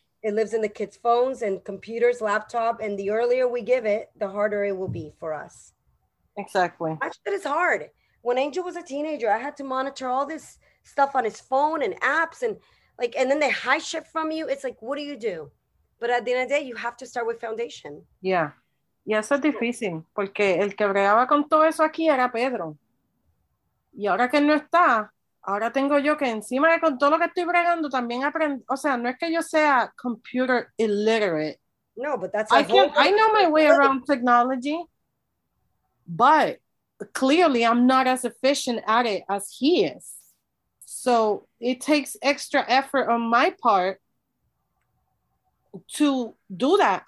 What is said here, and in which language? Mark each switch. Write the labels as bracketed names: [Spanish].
[English] It lives in the kids' phones and computers, laptop, and the earlier we give it, the harder it will be for us. Exactly. That shit is hard. When Angel was a teenager, I had to monitor all this stuff on his phone and apps, and like, and then they hide shit from you. It's like, what do you do? But at the end of the day, you have to start with foundation. Yeah. [Spanish] Y eso es difícil, porque el que bregaba con todo eso aquí era Pedro. Y ahora que él no está, ahora tengo yo que encima de con todo lo que estoy bregando, también aprendo. O sea, no es que yo sea [English] computer illiterate. No, but that's... I know my way around technology, but clearly I'm not as efficient at it as he is. So it takes extra effort on my part to do that.